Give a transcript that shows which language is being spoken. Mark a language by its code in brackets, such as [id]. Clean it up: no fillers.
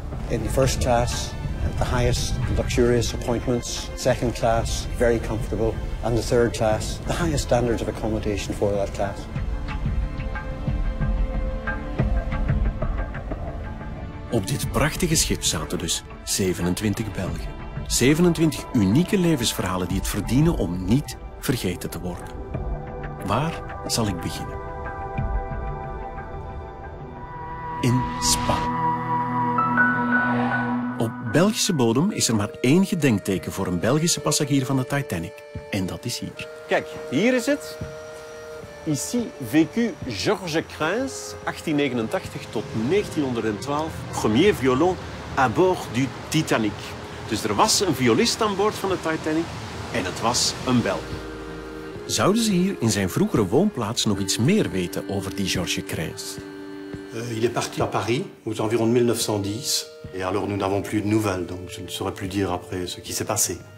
[en] In the first class, the highest luxurious appointments, second class, very comfortable, and the third class, the highest standards of accommodation for that class. [nl] Op dit prachtige schip zaten dus 27 Belgen. 27 unieke levensverhalen die het verdienen om niet vergeten te worden. Waar zal ik beginnen? In Spa. Op Belgische bodem is er maar één gedenkteken voor een Belgische passagier van de Titanic. En dat is hier. Kijk, hier is het. [fr] Ici vécu Georges Crins, 1889 tot 1912, premier violon à bord du Titanic. [nl] Dus er was een violist aan boord van de Titanic en het was een Belg. Zouden ze hier in zijn vroegere woonplaats nog iets meer weten over die Georges Crins? [fr] Il est parti à Paris, aux environs 1910. Et alors nous n'avons plus de nouvelles, donc je ne saurais plus dire après ce qui s'est passé.